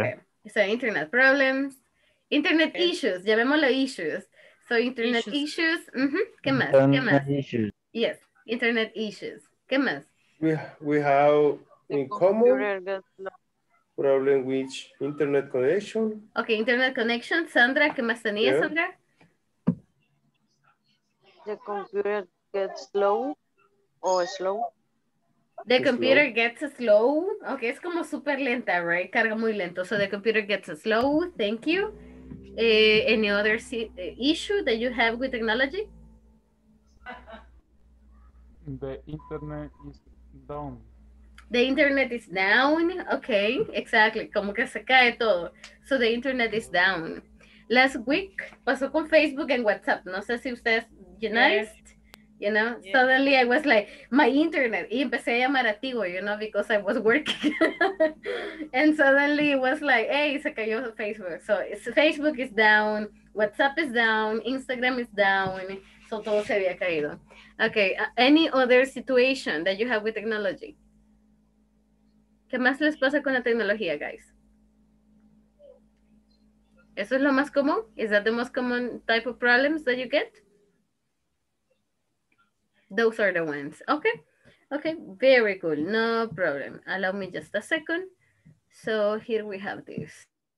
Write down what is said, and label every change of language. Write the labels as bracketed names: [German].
[English] Okay. So internet problems, internet okay. Issues, llamémoslo issues. So internet issues, issues. Mm-hmm. [Spanish] ¿Qué más? [English] Internet [Spanish] ¿qué más? [English] Issues. Yes, internet issues, [Spanish] ¿qué más? [English] We have in common problem with internet connection. Okay, internet connection, Sandra, [Spanish] ¿qué más tenía, [English] yeah. Sandra? The computer gets slow or slow. The computer gets slow. Okay, [Spanish] es como super lenta, [English] right? [Spanish] Carga muy lento. [English] So the computer gets slow. Thank you. Any other issue that you have with technology? The internet is down. The internet is down. Okay, exactly. [Spanish] Como que se cae todo. [English] So the internet is down. Last week, pasó con Facebook and WhatsApp. [Spanish] No sé si ustedes llenaron. Yes. You know, yeah. [English] Suddenly I was like, my internet, [Spanish] y empecé a llamar a Tigo, [English] you know, because I was working. And suddenly it was like, hey, [Spanish] se cayó Facebook. [English] So Facebook is down, WhatsApp is down, Instagram is down. So [Spanish] todo se había caído. [English] Okay, any other situation that you have with technology? [Spanish] ¿Qué más les pasa con la tecnología, guys? ¿Eso es lo más común? [English] Is that the most common type of problems that you get? Those are the ones. Okay. Okay. Very cool. No problem. Allow me just a second. So here we have this.